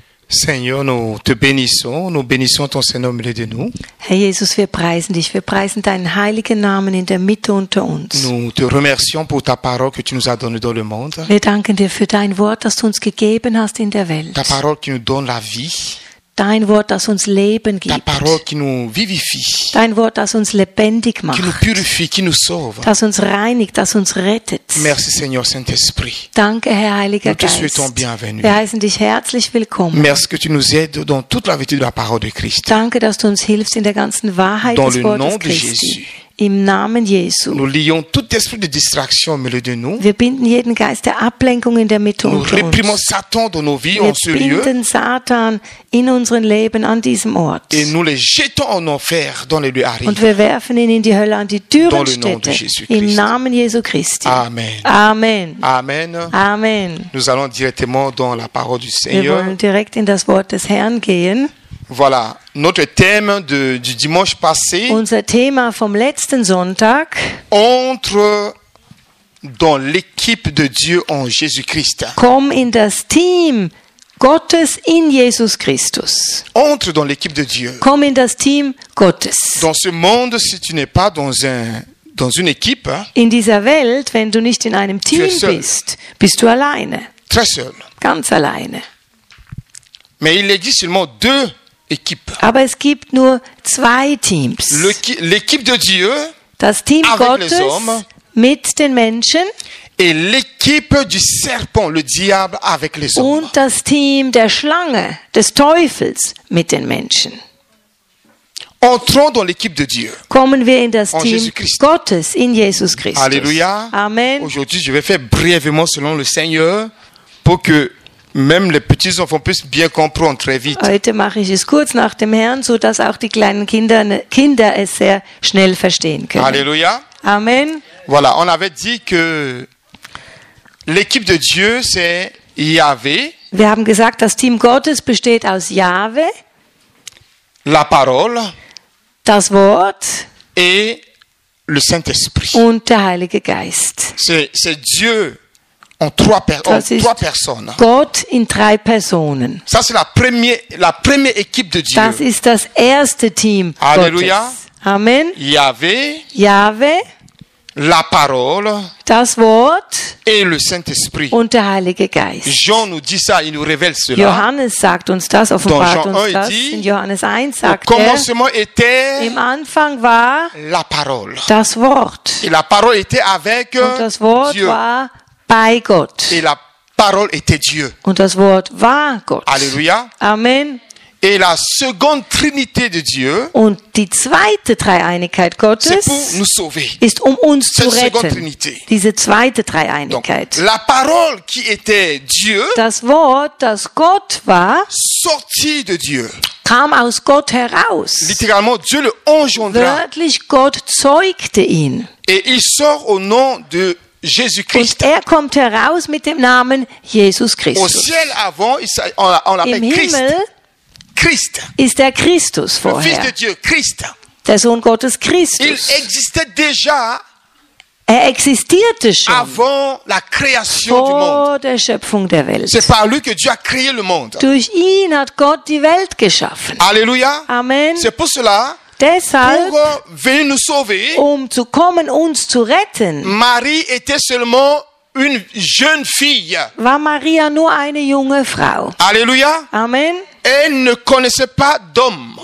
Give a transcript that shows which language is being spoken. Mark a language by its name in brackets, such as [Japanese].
[French] Seigneur, nous te bénissons, nous bénissons ton Saint-Nom au milieu de nous. [German] Herr Jesus, wir preisen deinen heiligen Namen in der Mitte unter uns. [French] Nous te remercions pour ta parole que tu nous as donnée dans le monde. [German] Wir danken dir für dein Wort, das du uns gegeben hast in der Welt. [French] Ta parole qui nous donne la vie. [German] Dein Wort, das uns Leben gibt. [French] Ta parole qui nous vivifie. [German] Dein Wort, das uns lebendig macht. [French] Qui nous purifie, qui nous sauve. [German] Das uns reinigt, das uns rettet. [French] Merci, Seigneur Saint-Esprit. [German] Danke, Herr Heiliger Geist. [French] Nous te souhaitons bienvenue. [German] Wir heißen dich herzlich willkommen. [French] Merci que tu nous aides dans toute la vérité de la parole de Christ. [German] Danke, dass du uns hilfst in der ganzen Wahrheit [French] dans [German] des Wortes Christi. [French] Dans le nom de Jésus. [German] Im Namen Jesu. [French] Nous lions tout esprit de distraction au milieu de nous. [German] Wir binden jeden Geist der Ablenkung in der Mitte unter uns. [French] Nous réprimons Satan dans nos vies en ce lieu. [German] Wir binden Satan in unseren Leben an diesem Ort. [French] Et nous les jetons en enfer dans les lieux arides. [German] Und wir werfen ihn in die Hölle, an die Dürrenstätte. [French] Dans le nom de Jésus-Christ. [German] Im Namen Jesu Christi. Amen. Amen. Amen. Amen. [French] Nous allons directement dans la parole du Seigneur. [German] Wir wollen direkt in das Wort des Herrn gehen. [French] Voilà, notre thème du dimanche passé. [German] Unser Thema vom letzten Sonntag. [French] Entre dans l'équipe de Dieu en Jésus-Christ. [German] Komm in das Team Gottes in Jesus Christus. [French] Entre dans l'équipe de Dieu. [German] Komm in das Team Gottes. [French] Dans ce monde, si tu n'es pas dans une équipe, [German] in dieser Welt, wenn du nicht in einem Team bist, bist du alleine. [French] Très seul. [German] Ganz alleine. [French] Mais il existe seulement deux équipes. [German] Aber es gibt nur zwei Teams. [French] L'équipe de Dieu, [German] das Team [French] avec [German] Gottes [French] les hommes, [German] mit den Menschen, [French] et l'équipe du serpent, le diable avec les [German] und [French] hommes. [German] Und das Team der Schlange, des Teufels, mit den Menschen. [French] Entrons dans l'équipe de Dieu. [German] Kommen wir in das [French] en [German] Team Gottes in Jesus Christus. Alléluia. Amen. [French] Aujourd'hui, je vais faire brièvement selon le Seigneur pour que même les petits enfants puissent bien comprendre très vite. [German] Heute mache ich es kurz nach dem Herrn, so dass auch die kleinen Kinder es sehr schnell verstehen können. Alléluia. Amen. [French] Voilà, on avait dit que l'équipe de Dieu c'est Yahvé. [German] Wir haben gesagt, das Team Gottes besteht aus Yahvé. [French] La parole. [German] Das Wort. [French] Et le Saint-Esprit. [German] Und der Heilige Geist. [French] C'est Dieu. En trois, trois personnes. [German] Gott in drei Personen. [French] Ça c'est la première équipe de Dieu. [German] Das ist das erste Team. Alléluia. Gottes. Amen. [French] Yahvé. La parole. [German] Das Wort. [French] Et le Saint-Esprit. [German] Und der Heilige Geist. [French] Jean nous dit ça, il nous révèle cela. [German] Johannes sagt uns das, offenbart uns das. In Johannes 1 sagt er. [French] Commencement était. [German] Im Anfang war. [French] La parole. [German] Das Wort. [French] Et la parole était avec Dieu. [German] Und das Wort [French] Dieu. [German] War bei Gott. [French] Et la parole était Dieu. [German] Und das Wort war Gott. Alléluia. Amen. [French] Et la seconde Trinité de Dieu. [German] Und die zweite Dreieinigkeit Gottes. [French] C'est pour nous sauver. [German] Ist um uns [French] c'est [German] zu retten. [French] Cette seconde Trinité. [German] Diese zweite Dreieinigkeit. [French] Donc, la parole qui était Dieu. [German] Das Wort, das Gott war. [French] Sorti de Dieu. [German] Kam aus Gott heraus. [French] Littéralement, Dieu le engendra. [German] Wörtlich, Gott zeugte ihn. [French] Et il sort au nom de Jésus Christ. [German] Und er kommt heraus mit dem Namen Jesus Christus. [French] Au ciel avant, on l'appelle [German] Christ. Im Himmel [French] Christ. [German] Ist er Christus vorher. [French] Le Fils de Dieu, Christ. [German] Der Sohn Gottes, Christus. [French] Il existait déjà. [German] Er existierte schon. [French] Avant la création [German] vor [French] du monde. [German] Der Schöpfung der Welt. [French] C'est par lui que Dieu a créé le monde. [German] Durch ihn hat Gott die Welt geschaffen. Alléluia. Amen. [French] C'est pour cela. [German] Deshalb, [French] pour venir nous sauver, [German] um zu kommen, uns zu retten, [French] Marie était seulement une jeune fille. [German] War Maria nur eine junge Frau. Alléluia. Amen. [French] Elle ne connaissait pas d'homme.